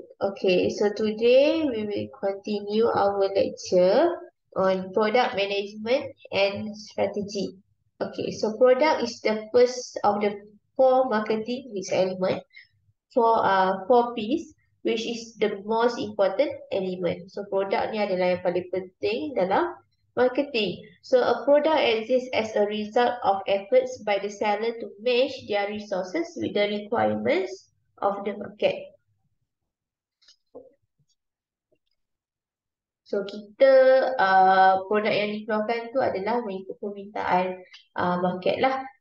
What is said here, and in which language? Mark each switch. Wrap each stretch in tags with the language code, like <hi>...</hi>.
<en>Okay, so today we will continue our lecture on product management and strategy. Okay, so product is the first of the four marketing mix element for 4 P's, which is the most important element.</en> <ms>So product ni adalah yang paling penting dalam marketing.</ms> <en>So a product exists as a result of efforts by the seller to match their resources with the requirements of the market.</en> <ms>So kita produk yang dikeluarkan tu adalah mengikut permintaan market lah.</ms>